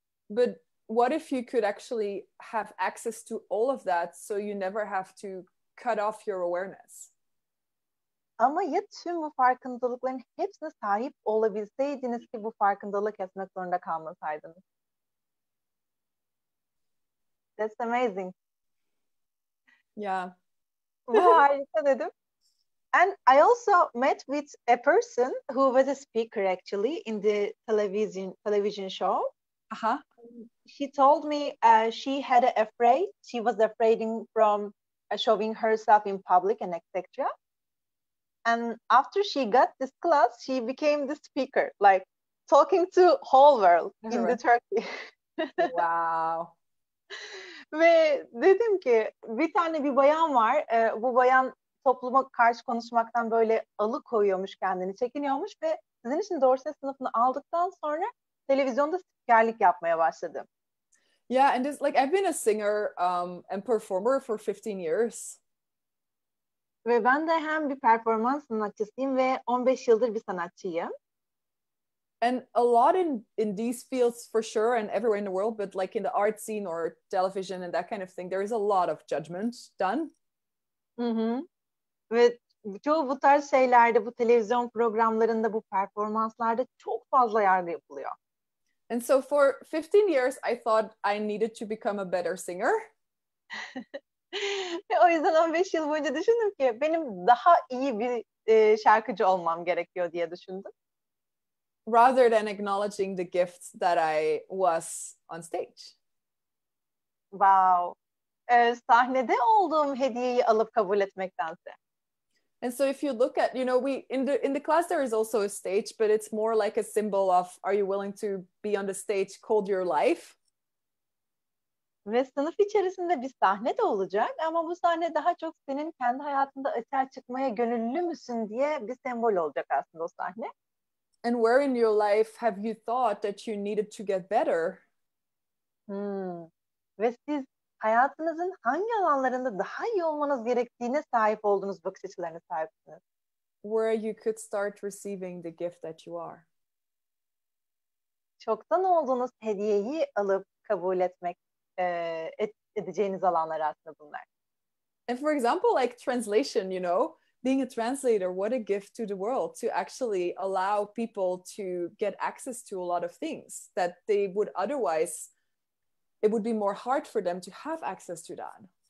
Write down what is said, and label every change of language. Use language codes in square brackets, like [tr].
[en] But what if you could actually have access to all of that so you never have to cut off your awareness? [tr] Ama ya tüm bu farkındalıkların hepsine sahip olabilseydiniz ki bu farkındalığı kesmek zorunda kalmasaydınız? [en] That's amazing. Yeah. [tr] Bu harika dedim. [en] And I also met with a person who was a speaker actually in the television show. Uh-huh. She told me she was afraid from showing herself in public and etc. And after she got this class, she became the speaker, like talking to whole world in the Turkey. Wow. [tr] Ve dedim ki bir tane bir bayan var. Bu bayan topluma karşı konuşmaktan böyle alıkoyuyormuş, kendini çekiniyormuş ve sizin için doğru ses sınıfını aldıktan sonra televizyonda spikerlik yapmaya başladı. [en] Yeah, and it's like I've been a singer and performer for 15 years. [tr] Ve ben de hem bir performans sanatçısıyım ve 15 yıldır bir sanatçıyım. [en] And a lot in these fields for sure and everywhere in the world, but like in the art scene or television and that kind of thing, there is a lot of judgment done. Mm-hmm. [tr] Ve çoğu bu tarz şeylerde, bu televizyon programlarında, bu performanslarda çok fazla yargı yapılıyor. [en] And so for 15 years, I thought I needed to become a better singer. [tr] O yüzden 15 yıl boyunca düşündüm ki benim daha iyi bir şarkıcı olmam gerekiyor diye düşündüm. [en] Rather than acknowledging the gifts that I was on stage. [tr] Wow. Sahnede olduğum hediyeyi alıp kabul etmektense. [en] And so if you look at, you know, we in the class there is also a stage, but it's more like a symbol of are you willing to be on the stage called your life? [tr] Ve sınıf içerisinde bir sahne de olacak ama bu sahne daha çok senin kendi hayatında açığa çıkmaya gönüllü müsün diye bir sembol olacak aslında o sahne. [en] And where in your life have you thought that you needed to get better? [tr] Ve siz hayatınızın hangi alanlarında daha iyi olmanız gerektiğine sahip olduğunuz bakış açılarına sahipsiniz. [en] Where you could start receiving the gift that you are. [tr] Çoktan olduğunuz hediyeyi alıp kabul etmek edeceğiniz alanlar aslında bunlar. [en] And for example, like translation, you know, being a translator, what a gift to the world to actually allow people to get access to a lot of things that they would otherwise, it would be more hard for them to have access to that.